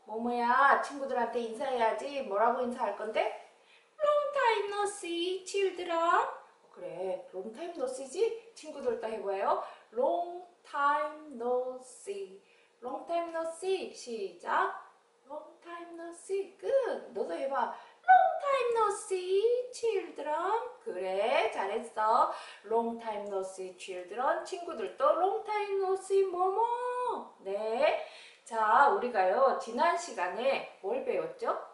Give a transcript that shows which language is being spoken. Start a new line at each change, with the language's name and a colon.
Korean: 모모야, 친구들한테 인사해야지. 뭐라고 인사할 건데?
English: Long time no see, children.
Korean: 그래.
English: Long time no see지?
Korean: 친구들도 해봐요.
English: Long time no see. Long time no see.
Korean: 시작.
English: Long time no see.
Korean: 끝. 너도 해봐.
English: Long time no see, children.
Korean: 그래, 잘했어.
English: Long time no see, children.
Korean: 친구들도
English: long time no see, 뭐뭐.
Korean: 네. 자, 우리가요, 지난 시간에 뭘 배웠죠?